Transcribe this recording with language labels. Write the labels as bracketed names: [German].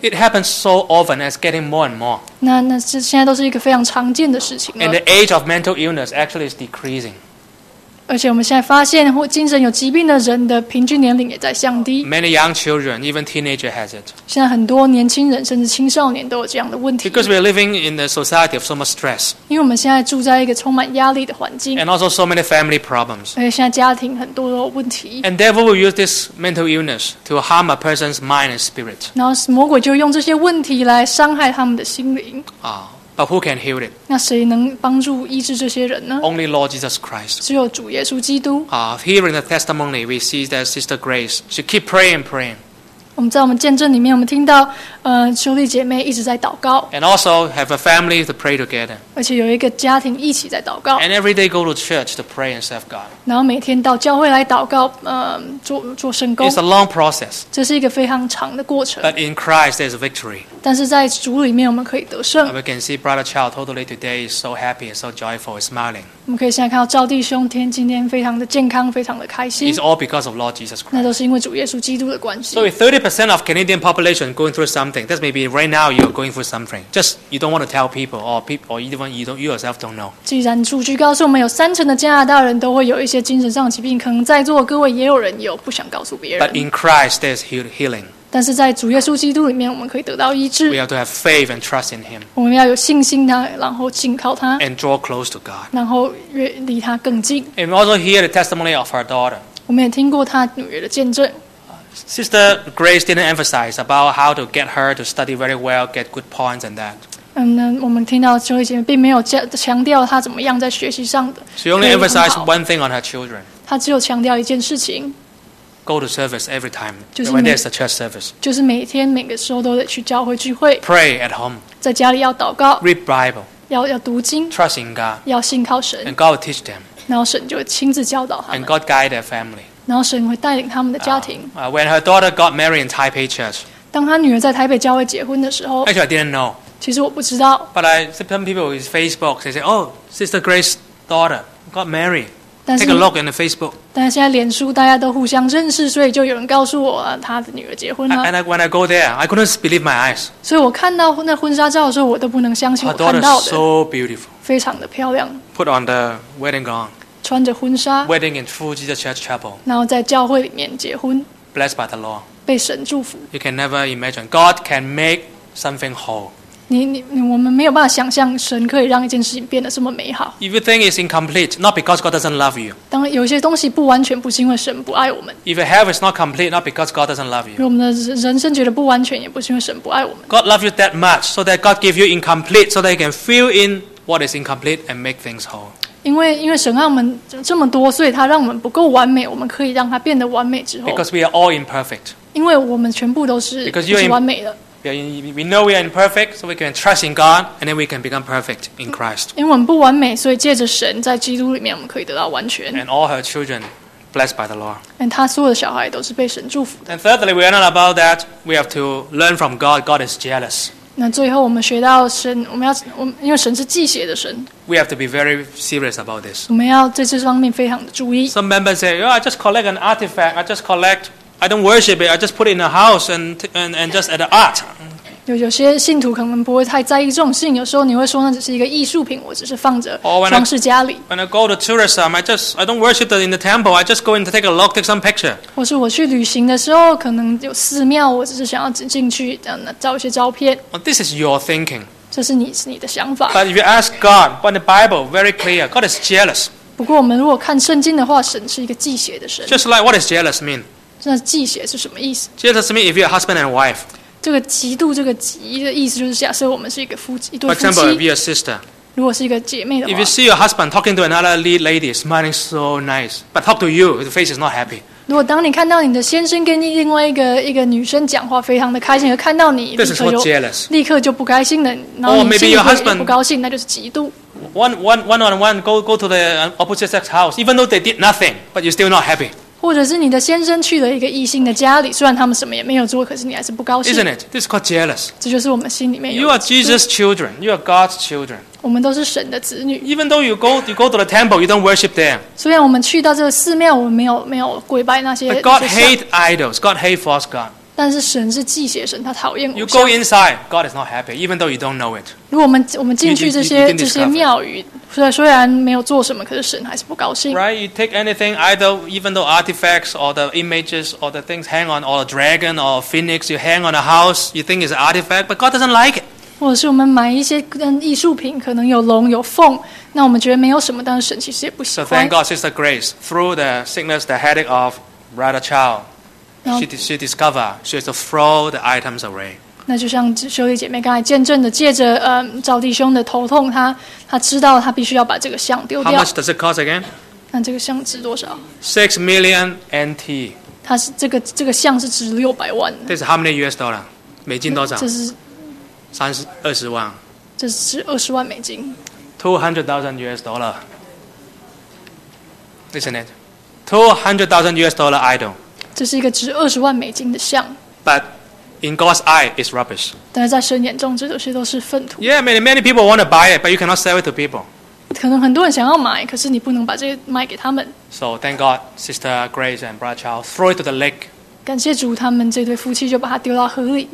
[English] It happens so often as getting more and more. [Chinese] 那是现在都是一个非常常见的事情了。 [English] And the age of mental illness actually is decreasing. [Chinese] 而且我们现在发现，或精神有疾病的人的平均年龄也在降低。 [English] Many young children, even teenager, has it. [Chinese] 现在很多年轻人甚至青少年都有这样的问题。 [English] Because we are living in a society of so much stress. [Chinese] 因为我们现在住在一个充满压力的环境。 [English] And also so many family problems. [Chinese] 而且现在家庭很多都有问题。 [English] And devil will use this mental illness to harm a person's mind and spirit. [Chinese] 然后魔鬼就用这些问题来伤害他们的心灵。 [English] But who can heal it? [Chinese] 那谁能帮助医治这些人呢？ [English] Only Lord Jesus Christ. [Chinese] 只有主耶稣基督。 [English] Hearing the testimony, we see that Sister Grace, she keep praying. [Chinese] 我们在我们见证里面，我们听到，修丽姐妹一直在祷告。 [English] And also have a family to pray together. [Chinese] 而且有一个家庭一起在祷告。 [English] And every day go to church to pray and serve God. [Chinese] 然后每天到教会来祷告，做圣工。 [English] It's a long process. [Chinese] 这是一个非常长的过程。 [English] But in Christ, there's a victory. [Chinese] 但是在主里面我们可以得胜。 [English] We can see Brother Chow totally today is so happy, so joyful, smiling. [Chinese] 我们可以现在看到赵弟兄今天非常的健康，非常的开心。 [English] It's all because of Lord Jesus Christ. [Chinese] 那都是因为主耶稣基督的关系。 [English] So if 30% of Canadian population going through something, that's maybe right now you're going through something. Just you don't want to tell people or even you yourself don't know. [Chinese] 既然数据告诉我们有三成的加拿大人都会有一些精神上的疾病，可能在座各位也有人有不想告诉别人。 [English] But in Christ there's healing. [Chinese] 但是在主耶稣基督里面，我们可以得到医治。 [English] We have to have faith and trust in Him. [Chinese] 我们要有信心他，然后信靠他。 [English] And draw close to God. [Chinese] 然后越离他更近。 [English] And we also hear the testimony of her daughter. [Chinese] 我们也听过他女儿的见证。 [English] Sister Grace didn't emphasize about how to get her to study very well, get good points, and that. [Chinese] 我们听到修丽姐妹并没有强调她怎么样在学习上的。 [English] She only emphasized one thing on her children. [Chinese] 她只有强调一件事情。 [English] Go to service every time when there's a church service. [Chinese] 就是每天每个时候都得去教会聚会。 [English] Pray at home. [Chinese] 在家里要祷告。 [English] Read Bible. [Chinese] 要读经。 [English] Trust in God. [Chinese] 要信靠神。 [English] And God will teach them. [Chinese] 然后神就亲自教导他们。 [English] And God guide their family. [Chinese] 然后神会带领他们的家庭。 [English] When her daughter got married in Taipei Church. [Chinese] 当她女儿在台北教会结婚的时候。 [English] Actually, I didn't know. [Chinese] 其实我不知道。 [English] But some people with Facebook, they say, "Oh, Sister Grace's daughter got married." Take a look in the Facebook. [Chinese] 但现在脸书大家都互相认识，所以就有人告诉我他的女儿结婚了。 [English] And when I go there, I couldn't believe my eyes. [Chinese] 所以我看到那婚纱照的时候，我都不能相信我看到的。 [English] Her daughter is so beautiful. [Chinese] 非常的漂亮。 [English] Put on the wedding gown. [Chinese] 穿着婚纱。 [English] Wedding in Full Jesus Church Chapel. [Chinese] 然后在教会里面结婚。 [English] Blessed by the Lord. [Chinese] 被神祝福。 [English] You can never imagine God can make something whole. [Chinese] 我们没有办法想象神可以让一件事情变得这么美好。 [English] If you think it's incomplete, not because God doesn't love you. [Chinese] 当有些东西不完全，不是因为神不爱我们。 [English] If your health is not complete, not because God doesn't love you. [Chinese] 我们的人生觉得不完全，也不是因为神不爱我们。 [English] God loves you that much, so that God gives you incomplete, so that He can fill in what is incomplete and make things whole. [Chinese] 因为神爱我们这么多，所以他让我们不够完美，我们可以让他变得完美之后。 [English] Because we are all imperfect. [Chinese] 因为我们全部都是不是完美的。 [English] We know we are imperfect, so we can trust in God, and then we can become perfect in Christ. [Chinese] 因为我们不完美，所以借着神在基督里面，我们可以得到完全。 [English] And all her children, blessed by the Lord. [Chinese] And 她所有的小孩都是被神祝福的。 [English] And thirdly, we are not about that. We have to learn from God. God is jealous. [Chinese] 那最后我们学到神，我们要，我们因为神是祭血的神。 [English] We have to be very serious about this. [Chinese] 我们要在这方面非常的注意。 [English] Some members say, "Oh, I just collect an artifact. I just collect. I don't worship it. I just put it in a house and just at the art." [Chinese] 有些信徒可能不会太在意这种事情。有时候你会说，那只是一个艺术品，我只是放着装饰家里。 [English] When I go to tourism, I don't worship it in the temple. I just go in to take a look, take some picture. [Chinese] 或是我去旅行的时候，可能有寺庙，我只是想要进去照一些照片。 [English] Well, this is your thinking. [Chinese] 这是你的想法。 [English] But if you ask God, but the Bible very clear, God is jealous. [Chinese] 不过我们如果看圣经的话，神是一个忌邪的神。 [English] Just like what does jealous mean? [Chinese] 那忌邪是什么意思 [English] ？Jealous means if you're husband and wife. [Chinese] 这个嫉妒，这个嫉的意思就是假设我们是一个夫妻，一对夫妻。 [English] For example, if you're a sister, [Chinese] 如果是一个姐妹的话 [English] ，If you see your husband talking to another lady, smiling so nice, but talk to you, his face is not happy. [Chinese] 如果当你看到你的先生跟另外一个女生讲话，非常的开心，而看到你立刻就不开心了，然后你心里会不高兴，那就是嫉妒。 [English] One on one, go to the opposite sex house, even though they did nothing, but you're still not happy. [Chinese] 或者是你的先生去了一个异性的家里，虽然他们什么也没有做，可是你还是不高兴。 [English] Isn't it? This is called jealous. [Chinese] 这就是我们心里面有。 [English] You are Jesus' children. You are God's children. [Chinese] 我们都是神的子女。 [English] Even though you go to the temple, you don't worship there. [Chinese] 虽然我们去到这个寺庙，我们没有跪拜那些。 [English] But God hates idols. God hates false God. [Chinese] 但是神是忌邪神，他讨厌偶像。 [English] You go inside, God is not happy, even though you don't know it. [Chinese] 如果我们进去这些庙宇。虽然没有做什么，可是神还是不高兴。 [English] Right, you take anything, either even though artifacts or the images or the things hang on, or a dragon or a phoenix, you hang on a house, you think it's an artifact, but God doesn't like it. [Chinese] 或者是我们买一些艺术品，可能有龙有凤，那我们觉得没有什么，但是神其实也不喜欢。 [English] So thank God, Sister Grace, through the sickness, the headache of Brother Chow, she discovered she has to throw the items away. [Chinese] 那就像修理姐妹刚才见证的，借着赵弟兄的头痛，他知道他必须要把这个像丢掉。 [English] How much does it cost again? [Chinese] 那这个像值多少 [English] ？6 million NT. [Chinese] 它是这个像是值600万。 [English] This is how many US dollar? [Chinese] 美金多少？这是 20万。这是20万美金。 [English] $200,000. Isn't it? $200,000 idol. [Chinese] 这是一个值20万美金的像。 [English] But. In God's eye, it's rubbish. [Chinese] 但是在神眼中，这些都是粪土。 [English] Yeah, many people want to buy it, but you cannot sell it to people. [Chinese] 可能很多人想要买，可是你不能把这个卖给他们。 [English] So thank God, Sister Grace and Brother Charles, throw it to the lake. [Chinese] 感谢主，他们这对夫妻就把它丢到河里。